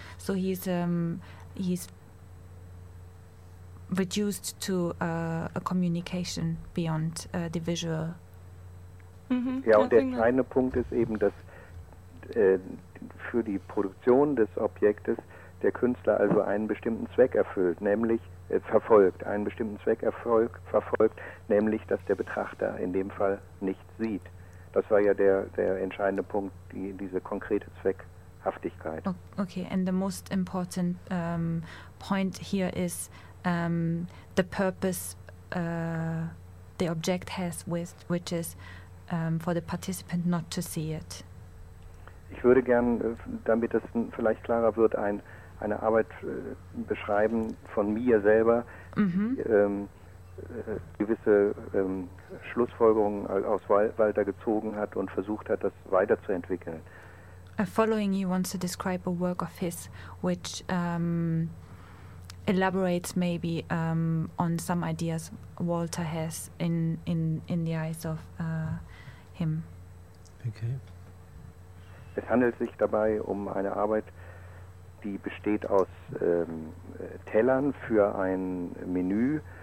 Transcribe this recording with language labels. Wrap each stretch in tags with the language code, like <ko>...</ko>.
<en>So he's reduced to a communication beyond the visual. Mm-hmm.</en> <de>Ja, und der kleine Punkt ist eben, dass für die Produktion des Objektes der Künstler also einen bestimmten Zweck erfüllt, nämlich verfolgt, nämlich, dass der Betrachter in dem Fall nichts sieht. Das war ja der entscheidende Punkt, diese konkrete Zweckhaftigkeit.</de> <en>Okay, and the most important point here is the purpose the object has with, which is for the participant not to see it.</en> <de>Ich würde gern, damit das vielleicht klarer wird, eine Arbeit beschreiben von mir selber, die gewisse Schlussfolgerungen aus Walter gezogen hat und versucht hat, das weiterzuentwickeln.</de> <en>Following you wants to describe a work of his, which elaborates maybe on some ideas Walter has in the eyes of him. Okay.</en> <de>Es handelt sich dabei um eine Arbeit, die besteht aus Tellern für ein Menü.</de>